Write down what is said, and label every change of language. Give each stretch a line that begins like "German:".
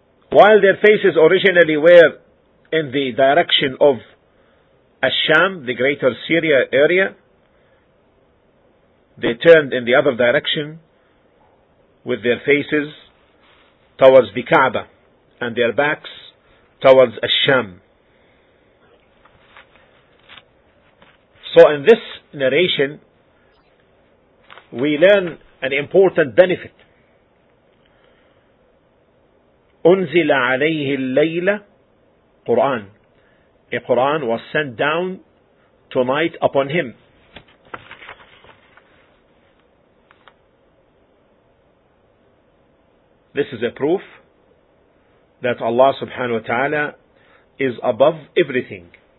English: While their faces originally were in the direction of Ash-Sham, the greater Syria area, they turned in the other direction with their faces towards the Kaaba and their backs towards Ash-Sham. So in this narration, we learn an important benefit.
Arabic: أُنزِلَ عَلَيْهِ اللَّيْلَ Quran.
English: A Quran was sent down tonight upon him. This is a proof that Allah subhanahu wa ta'ala is above everything.